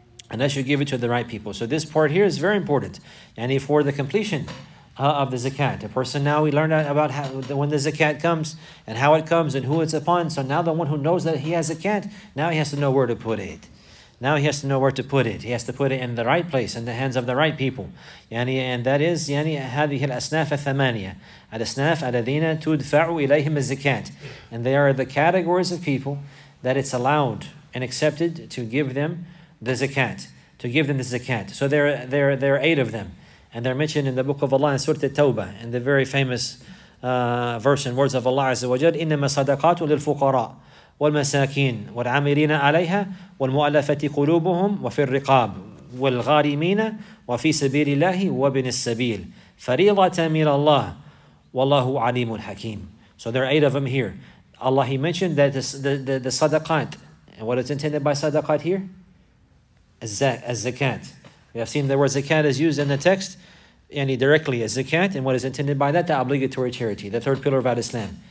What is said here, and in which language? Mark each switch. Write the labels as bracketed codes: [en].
[en] So this part here is very important. And for the completion of the zakat, a person, now we learned about how, when the zakat comes and how it comes and who it's upon. So now the one who knows that he has zakat, now he has to know where to put it. He has to put it in the right place, in the hands of the right people. [ar] يعني, [en] and that is, [ar] يعني, هذه الأسناف الثمانية. الأسناف الذين تدفع إليهم الزكاة. [en] And they are the categories of people that it's allowed and accepted to give them the zakat. So there are eight of them. And they're mentioned in the book of Allah in Surah At-Tawbah, in the very famous verse and words of Allah Azza wa Jal, [ar] إنما صدقات للفقراء. والمساكين والعاملين عليها والمؤلفة قلوبهم وفي الرقاب والغارمين وفي سبيل الله وابن السبيل فريضة من الله والله عليم حكيم. [en] So there are eight of them here. Allah, he mentioned that the sadaqat, and what is intended by sadaqat here? Az-zakat. We have seen the word zakat is used in the text yani directly as zakat, and what is intended by that? The obligatory charity, the third pillar of Islam.